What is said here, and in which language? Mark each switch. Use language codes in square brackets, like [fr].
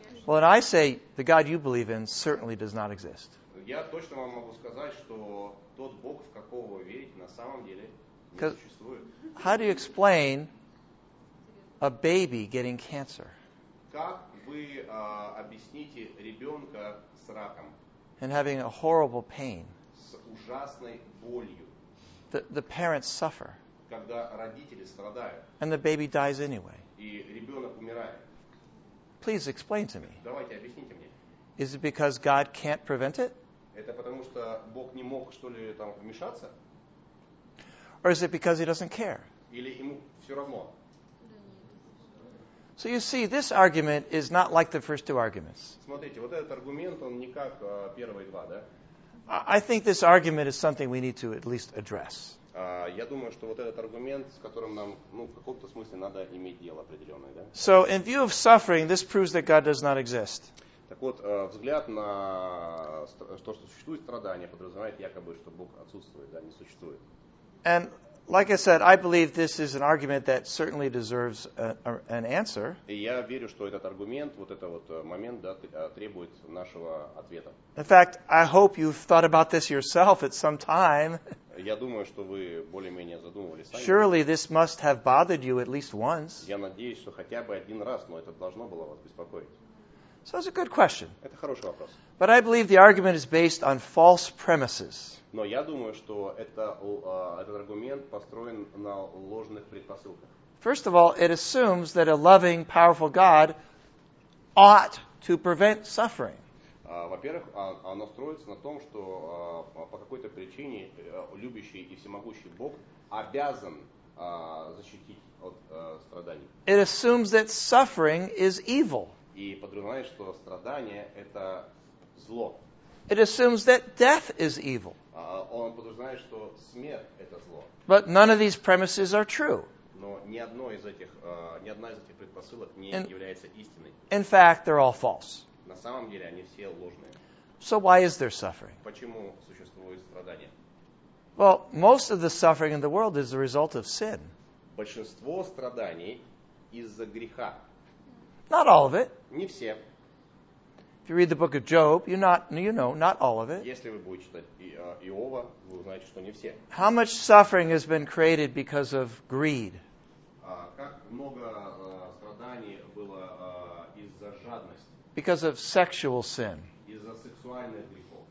[en] Well, and I say, the God you believe in certainly does not exist. [ru] Я точно вам могу сказать, что тот Бог, в какого вы верите, на самом деле не существует. [en] How do you explain a baby getting cancer? [ru] Как вы объясните ребенка с раком? [en] And having a horrible pain. [ru] С ужасной болью. [en] The parents suffer. [ru] Когда родители страдают. [en] And the baby dies anyway. [ru] И ребенок умирает. [en] Please explain to me. [ru] Давайте объясните мне. [en] Is it because God can't prevent it? [ru] Это потому что Бог не мог что ли там вмешаться? [en] Or is it because he doesn't care? [ru] Или ему все равно? [en] So you see, this argument is not like the first two arguments. [ru] Смотрите, вот этот аргумент, он не как первые два, да? [en] I think this argument is something we need to at least address. [ru] Я думаю, что вот этот аргумент, с которым нам, ну, в каком-то смысле надо иметь дело определенное, да? [en] So, in view of suffering, this proves that God does not exist. [ru] Так вот, взгляд на то, что существует страдание, подразумевает якобы, что Бог отсутствует, да, не существует. [en] And like I said, I believe this is an argument that certainly deserves an answer. [ru] И я верю, что этот аргумент, вот этот вот момент, да, требует нашего ответа. [en] In fact, I hope you've thought about this yourself at some time. [ru] Я думаю, что вы более-менее задумывались сами. [en] Surely this must have bothered you at least once. [ru] Я надеюсь, что хотя бы один раз, но это должно было вас беспокоить. [en] So it's a good question. [ru] Это хороший вопрос. [en] But I believe the argument is based on false premises. [ru] Но я думаю, что этот аргумент построен на ложных предпосылках. [en] First of all, it assumes that a loving, powerful God ought to prevent suffering. [ru] Во-первых, оно строится на том, что по какой-то причине любящий и всемогущий Бог обязан защитить от страданий. [en] It assumes that suffering is evil. [ru] И подразумевает, что страдание – это зло. [en] It assumes that death is evil. [ru] Он подразумевает, что смерть – это зло. [en] But none of these premises are true. [ru] Но ни одна из этих предпосылок не является истиной. [en] In fact, they're all false. [ru] На самом деле, они все ложные. [en] So why is there suffering? [ru] Почему существует страдание? [en] Well, most of the suffering in the world is the result of sin. [ru] Большинство страданий из-за греха. [en] Not all of it. [ru] Не все. [en] If you read the book of Job, not all of it. [ru] Если вы будете читать Иова, вы узнаете, что не все. [en] How much suffering has been created because of greed? [ru] Как много страданий было из-за жадности? [en] Because of sexual sin. [ru] Из-за сексуальных грехов.